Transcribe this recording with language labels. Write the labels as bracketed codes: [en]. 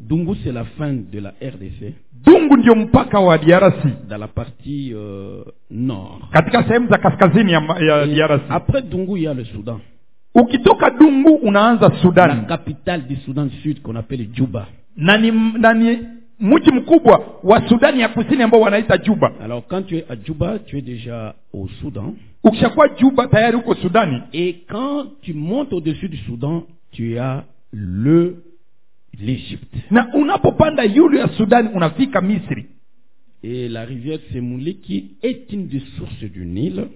[fr] Dungu c'est la fin de la RDC. [sw] Dungu ndio mpaka wa DRC. [fr] Dans la partie nord. [sw] Katika sehemu za kaskazini ya DRC. [fr] Après Dungu il y a le Soudan. [sw] Ukitoka Dungu unaanza Sudan. [fr] La capitale du Soudan Sud qu'on appelle Juba. [sw] Nani mji mkubwa wa Sudan ya Kusini ambao wanaita Juba. [fr] Alors quand tu es à Juba, tu es déjà au Soudan. [sw] Ukishakuwa Juba tayari uko Sudani. [fr] Et quand tu montes au-dessus du Soudan, tu as le l'Égypte. [sw] Na unapopanda yule ya Sudan unafika Misri. [fr] Et la rivière Semuliki est une des sources du Nil.